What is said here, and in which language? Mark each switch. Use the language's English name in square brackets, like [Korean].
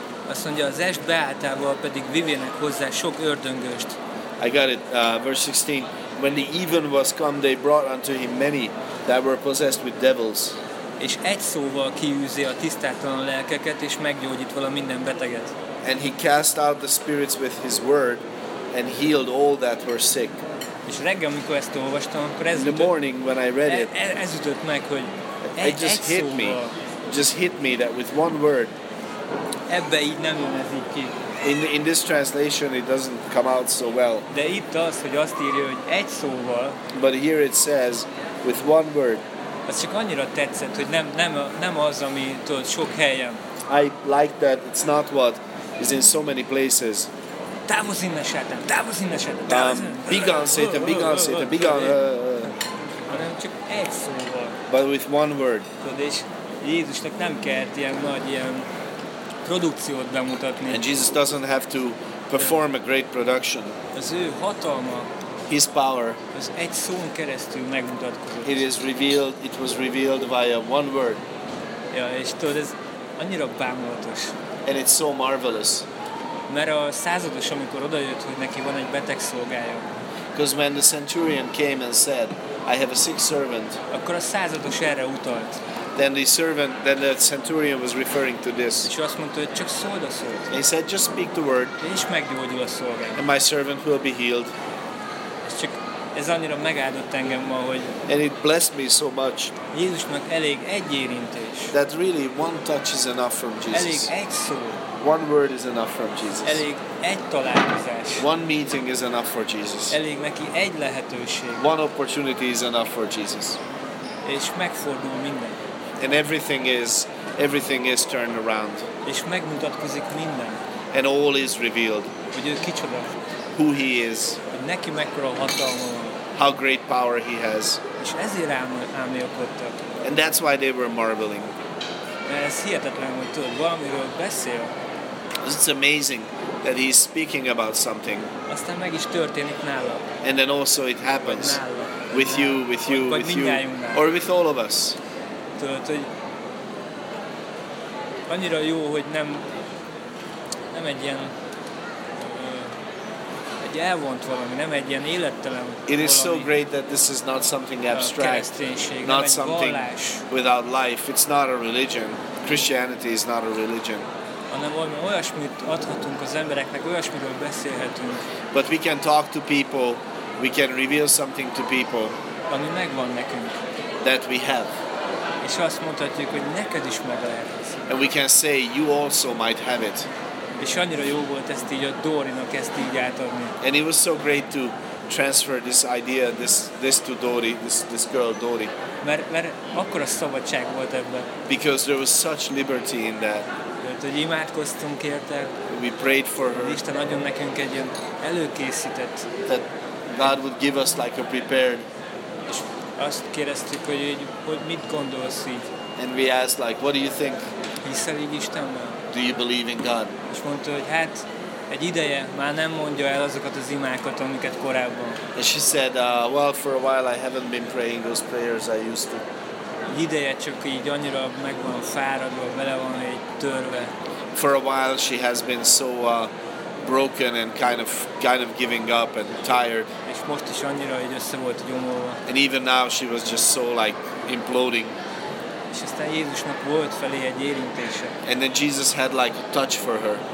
[Hungarian] Azt mondja, az est beálltával pedig vivének hozzá sok ördöngöst. [English] I got it, verse 16. When the even was come, they brought unto him many that were possessed with devils. [Hungarian] És egy szóval kiűzi a tisztátalan lelkeket, és meggyógyít vala minden beteget. [English] And he cast out the spirits with his word, and healed all that were sick. [Hungarian] És reggel, amikor ezt olvastam, akkor ez [English] in the morning, when I read it, [Hungarian] ez ütött meg, hogy egy szóval. [English] It just hit me that with one word. [Hungarian] Ebbe így nem jön ez így ki. [English] In this translation it doesn't come out so well. [Hungarian] De itt az, hogy azt írja, hogy egy szóval. [English] But here it says with one word. [Hungarian] Ez csak annyira tetszett, hogy nem az, ami tudod, sok helyen. [English] I like that it's not what is in so many places. [Hungarian] Távozz innen, Sátán! Távozz innen, Sátán! Távozz innen! [English] Be gone, Satan! Be gone, Satan! Be gone! [Hungarian] Hanem csak egy szóval. [English] But with one word. [Hungarian] Tudod, és Jézusnak nem kellett ilyen nagy ilyen produkciót bemutatni. [English] And Jesus doesn't have to perform a great production. [Hungarian] Az ő hatalma. [English] His power. [Hungarian] Az egy szón keresztül megmutatkozott. [English] It is revealed, it was revealed via one word. [Hungarian] Ja, és tudod, ez annyira bámulatos. [English] And it's so marvelous. [Hungarian] Mert a százados, amikor odajött, hogy neki van egy beteg szolgája. [English] Because when the centurion came and said, I have a sick servant. [Hungarian] Akkor a százados erre utalt. [English] Then the servant, then the centurion was referring to this. [Hungarian] És azt mondta, hogy csak szóld a szót. [English] He said, just speak the word. [Hungarian] És meggyógyul a szolgája. [English] And my servant will be healed. [Hungarian] És csak ez annyira megáldott engem ma, hogy... [English] And it blessed me so much. [Hungarian] Jézusnak elég egy érintés. [English] That really one touch is enough from Jesus. [Hungarian] Elég egy szó. [English] One word is enough from Jesus. [Hungarian] Elég egy találkozás. [English] One meeting is enough for Jesus. [Hungarian] Elég neki egy lehetőség. [English] One opportunity is enough for Jesus. [Hungarian] És megfordul minden. [English] And everything is turned around. [Hungarian] És megmutatkozik minden. [English] And all is revealed. [Hungarian] Hogy ő kicsoda. [English] Who he is. [Hungarian] Hogy neki mekkora hatalma van. [English] How great power he has. [Hungarian] És ezért álmélkodtak. [English] And that's why they were marveling. [Hungarian] Mert ez hihetetlen, hogy tudod, valamiről beszél. [English] It's amazing that he's speaking about something. [Hungarian] Aztán meg is történik nála. [English] And then also it happens. [Hungarian] Nála. [English] With [Hungarian] nála. [English] You, with you, [Hungarian] vagy [English] with you. [Hungarian] Nála. [English] Or with all of us. [Hungarian] Tudod, hogy annyira jó, hogy nem egy ilyen egy elvont valami, nem egy ilyen élettelen valami. [English] It is so great that this is not something abstract, not something [Hungarian] vallás. [English] Without life. It's not a religion. Christianity is not a religion. [Hungarian] Hanem olyasmit adhatunk az embereknek, olyasmiről beszélhetünk. [English] But we can talk to people, we can reveal something to people. [Hungarian] Ami megvan nekünk. [English] That we have. [Hungarian] És azt mondhatjuk, hogy neked is meg lehet. [English] And we can say, you also might have it. [Hungarian] És annyira jó volt ezt így a Dórinak ezt így átadni. [English] And it was so great to transfer this idea, this to Dori, this girl Dori. [Hungarian] Mert akkora szabadság volt ebben. [English] Because there was such liberty in that. [Hungarian] Mert hogy imádkoztunk érte. [English] We prayed for her. [Hungarian] Isten adjon nekünk egy ilyen előkészített. [English] That God would give us like a prepared. [Hungarian] És azt kérdeztük, hogy mit gondolsz így. [English] And we asked like, what do you think? [Hungarian] Hiszel így Istenben? [English] Do you believe in God? [Hungarian] És mondta, hogy hát egy ideje már nem mondja el azokat az imákat, amiket korábban. [English] And she said, well, for a while I haven't been praying those prayers I used to. [Hungarian] Egy ideje csak így annyira meg van fáradva, bele van egy törve. [English] For a while she has been so broken and kind of giving up and tired. [Hungarian] És most is annyira így össze volt gyomolva. [English] And even now she was just so like imploding. [Hungarian] És aztán Jézusnak volt felé egy érintése. [English] And then Jesus had like a touch for her.